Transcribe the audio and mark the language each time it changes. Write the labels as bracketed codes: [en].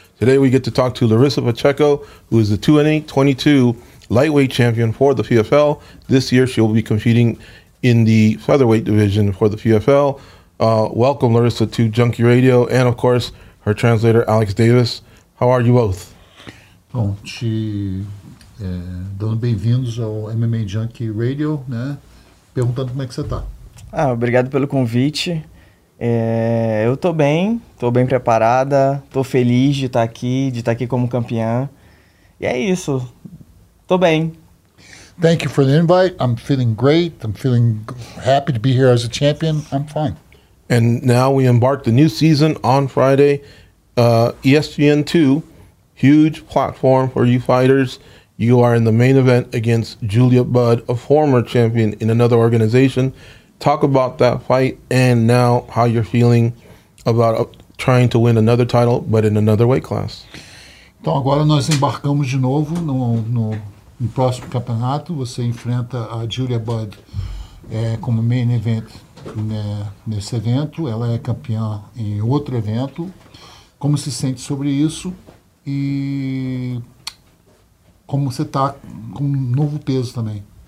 [en] Today we get to talk to Larissa Pacheco, who is the 2022 lightweight champion for the PFL. This year she will be competing in the featherweight division for the PFL. Welcome, Larissa, to Junkie Radio, and of course, her translator, Alex Davis. How are you both? [pt] Bom, te dando bem-vindos ao MMA Junkie Radio, né? Perguntando como é que você tá. Ah, obrigado pelo convite. Eu tô bem preparada, tô feliz de estar aqui como campeã. E é isso, tô bem. [en] Thank you for the invite. I'm feeling great. I'm feeling happy to be here as a champion. I'm fine. And now we embark the new season on Friday. ESPN2, huge platform for you fighters. You are in the main event against Julia Budd, a former champion in another organization. Talk about that fight and now how you're feeling about trying to win another title, but in another weight class. [pt] Então, agora nós embarcamos de novo no próximo campeonato. Você enfrenta a Julia Budd como main event nesse evento. Ela é campeã em outro evento. Como se sente sobre isso? E como você está com novo peso também?